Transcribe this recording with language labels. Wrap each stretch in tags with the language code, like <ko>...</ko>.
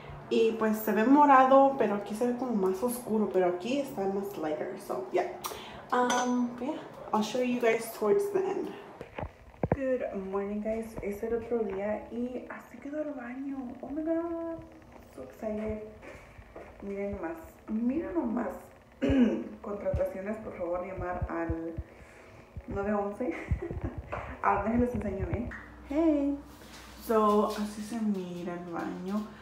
<es>Y pues se ve morado, pero aquí se ve como más oscuro, pero aquí está más</es> <en>lighter, so yeah. Yeah, I'll show you guys towards the end. Good morning guys,</en> <es>es el otro día y así quedó el baño.</es> <en>Oh my god, so excited.</en> <es>Miren nomás, contrataciones, por favor, llamar al 911. Ah, déjenles enseño bien.</es> <en>Hey, so</en> <es>así se mira el baño.</es>